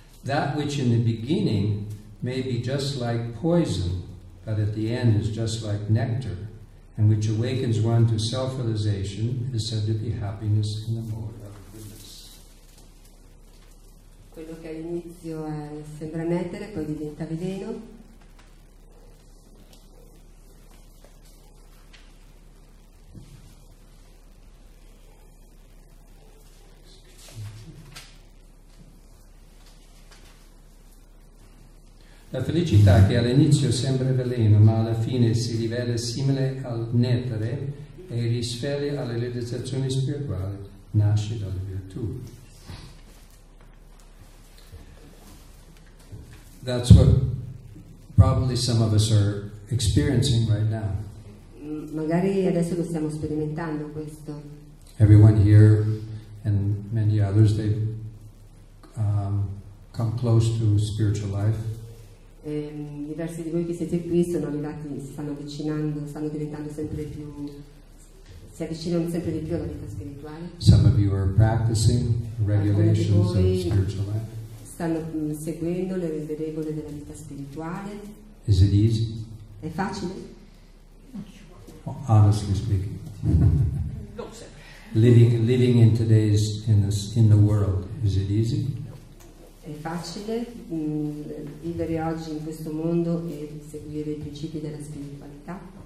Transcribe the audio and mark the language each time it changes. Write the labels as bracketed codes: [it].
[en] That which in the beginning may be just like poison, but at the end is just like nectar, and which awakens one to self-realization, is said to be happiness in the mode of goodness. [it] Quello che all'inizio sembra nettare, poi diventa veleno. La felicità che all'inizio sembra veleno, ma alla fine si rivela simile al nettare e risveglia alle realizzazioni spirituali, nasce dalla virtù. [en] That's what probably some of us are experiencing right now. [it] Magari adesso lo stiamo sperimentando questo. [en] Everyone here and many others, they've come close to spiritual life. [it] Diversi di voi che siete qui sono arrivati, si stanno avvicinando, stanno diventando sempre più, si avvicinano sempre di più alla vita spirituale. [en] Some of you are practicing regulations of spiritual life. [it] Stanno seguendo le regole della vita spirituale. [en] Is it easy? [it] È facile? [en] Well, honestly speaking. No, sir. Living in today's in the world, is it easy? [it] È facile vivere oggi in questo mondo e seguire i principi della spiritualità?